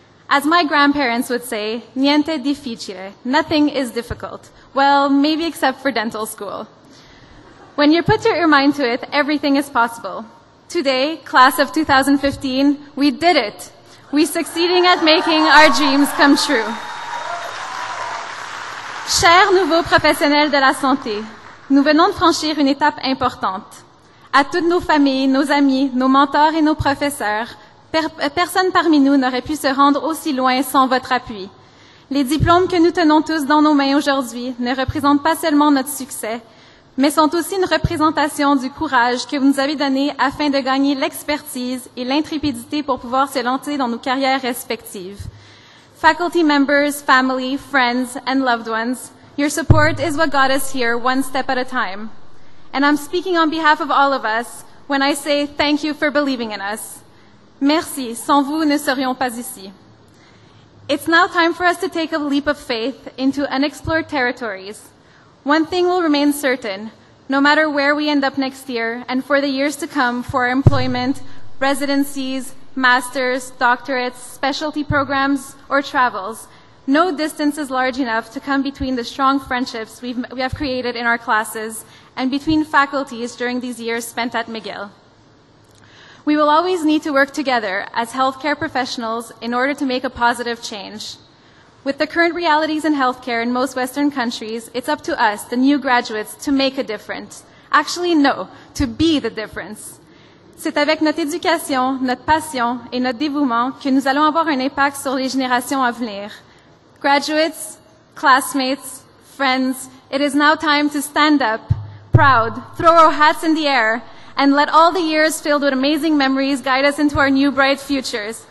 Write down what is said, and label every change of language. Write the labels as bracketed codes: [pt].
[en] As my grandparents would say, [it] niente difficile, [en] nothing is difficult. Well, maybe except for dental school. When you put your mind to it, everything is possible. Today, class of 2015, we did it. We succeeding at making our dreams come true. [fr] Chers nouveaux professionnels de la santé, nous venons de franchir une étape importante. À toutes nos familles, nos amis, nos mentors et nos professeurs, personne parmi nous n'aurait pu se rendre aussi loin sans votre appui. Les diplômes que nous tenons tous dans nos mains aujourd'hui ne représentent pas seulement notre succès, mais sont aussi une représentation du courage que vous nous avez donné afin de gagner l'expertise et l'intrépidité pour pouvoir se lancer dans nos carrières respectives. [en] Faculty members, family, friends, and loved ones, your support is what got us here one step at a time. And I'm speaking on behalf of all of us when I say thank you for believing in us. [fr] Merci, sans vous, nous ne serions pas ici. [en] It's now time for us to take a leap of faith into unexplored territories. One thing will remain certain, no matter where we end up next year and for the years to come for our employment, residencies, masters, doctorates, specialty programs, or travels, no distance is large enough to come between the strong friendships we have created in our classes and between faculties during these years spent at McGill. We will always need to work together as healthcare professionals in order to make a positive change. With the current realities in healthcare in most Western countries, it's up to us, the new graduates, to make a difference. Actually, no, to be the difference. [fr] C'est avec notre éducation, notre passion et notre dévouement que nous allons avoir un impact sur les générations à venir. [en] Graduates, classmates, friends, it is now time to stand up, proud, throw our hats in the air, and let all the years filled with amazing memories guide us into our new bright futures.